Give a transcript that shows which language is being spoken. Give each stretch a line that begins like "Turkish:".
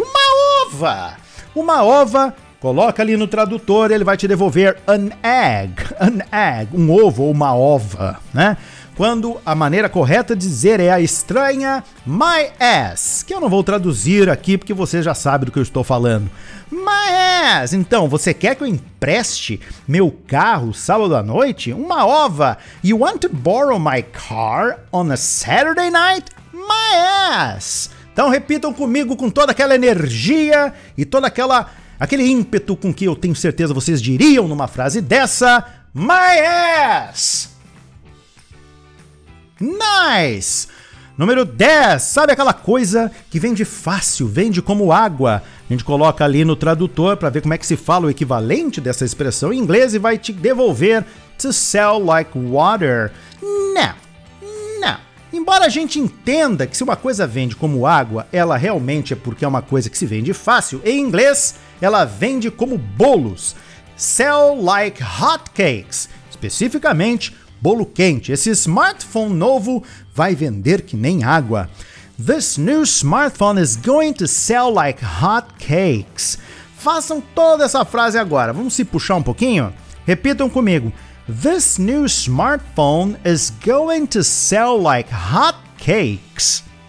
Portuguese: Uma ova! Uma ova, coloca ali no tradutor e ele vai te devolver an egg, um ovo ou uma ova, né? Quando a maneira correta de dizer é a estranha
English: my ass,
Portuguese: que eu não vou traduzir aqui porque você já sabe do que eu estou falando.
English: My ass!
Portuguese: Então, você quer que eu empreste meu carro sábado à noite? Uma ova!
English: You want to borrow my car on a Saturday night? My ass!
Portuguese: Então, repitam comigo com toda aquela energia e toda aquele ímpeto com que eu tenho certeza vocês diriam numa frase dessa.
English: My ass!
Portuguese: Nice! Número 10. Sabe aquela coisa que vende fácil, vende como água? A gente coloca ali no tradutor para ver como é que se fala o equivalente dessa expressão em inglês e vai te devolver
English: to sell like water.
Portuguese: Não. Embora a gente entenda que se uma coisa vende como água, ela realmente é porque é uma coisa que se vende fácil. Em inglês, ela vende como bolos.
English: Sell like hotcakes.
Portuguese: Especificamente, bolo quente. Esse smartphone novo vai vender que nem água.
English: This new smartphone is going to sell like hot cakes.
Portuguese: Façam toda essa frase agora. Vamos se puxar um pouquinho? Repitam comigo.
English: This new smartphone is going to sell like hot cakes.